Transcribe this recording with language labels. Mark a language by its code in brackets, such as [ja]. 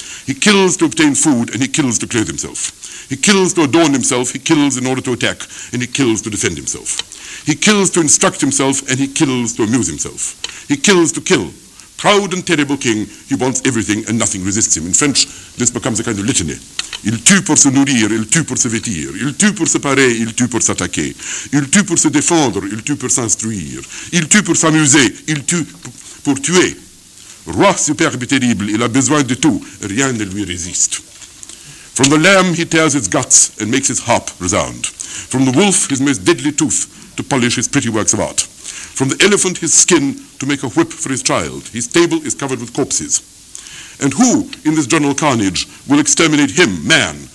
[en] He kills to obtain food, and he kills to clothe himself. He kills to adorn himself, he kills in order to attack, and he kills to defend himself. He kills to instruct himself, and he kills to amuse himself. He kills to kill. Proud and terrible king, he wants everything, and nothing resists him. In French, this becomes a kind of litany. [fr] Il tue pour se nourrir, il tue pour se vêtir. Il tue pour se parer, il tue pour s'attaquer. Il tue pour se défendre, il tue pour s'instruire. Il tue pour s'amuser, il tue pour tuer. Roi superbe et terrible, il a besoin de tout, rien ne lui résiste. [en] From the lamb he tears its guts and makes his harp resound. From the wolf his most deadly tooth to polish his pretty works of art. From the elephant his skin to make a whip for his child. His table is covered with corpses. And who in this general carnage will exterminate him, man?